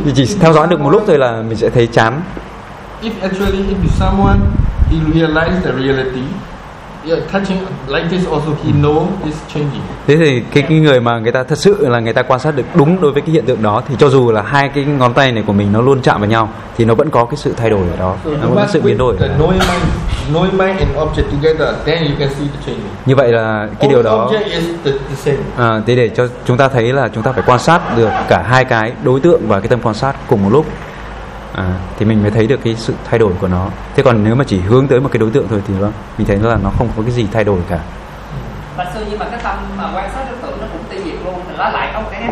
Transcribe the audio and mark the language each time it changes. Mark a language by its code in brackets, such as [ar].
[vi] chỉ theo dõi được một lúc thôi là mình sẽ thấy chán. [en] If actually if someone he realize the reality, yeah, touching like this also he know is changing. [vi] Thế thì cái người mà người ta thật sự là người ta quan sát được đúng đối với cái hiện tượng đó, thì cho dù là hai cái ngón tay này của mình nó luôn chạm vào nhau thì nó vẫn có cái sự thay đổi ở đó, [en] so [vi] nó vẫn có sự biến đổi. [en] Knowing mind and object together, then you can see the changing. [vi] Như vậy là cái [en] all [vi] điều đó [en] object is the same. [vi] Thế để cho chúng ta thấy là chúng ta phải quan sát được cả hai cái đối tượng và cái tâm quan sát cùng một lúc. Thì mình mới thấy được cái sự thay đổi của nó. Thế còn nếu mà chỉ hướng tới một cái đối tượng thôi thì nó, mình thấy là nó không có cái gì thay đổi cả. Và sư, nhưng mà cái tâm mà quan sát đối tượng nó cũng tiêu diệt luôn, nó lại không cái.